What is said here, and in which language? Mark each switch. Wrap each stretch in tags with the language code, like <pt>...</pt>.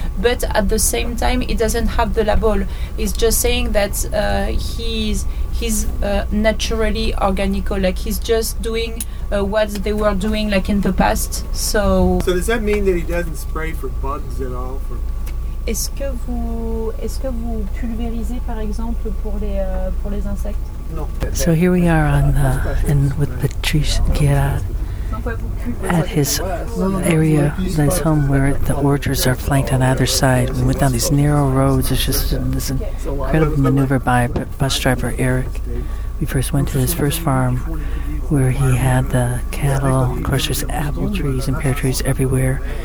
<en>But at the same time, he doesn't have the label. He's just saying that he's naturally organical. Like he's just doing what they were doing like in the past. So. So does that mean that he doesn't spray for bugs at all? For</en> <fr>Est-ce que vous pulvérisez par exemple pour les insectes?</fr> <en>So here we are on the and with Patrice Guérard at his area, his home, where the orchards are flanked on either side. We went down these narrow roads. It's just this incredible maneuver by bus driver Eric. We first went to his first farm, where he had the cattle, of course there's apple trees and pear trees everywhere.</en>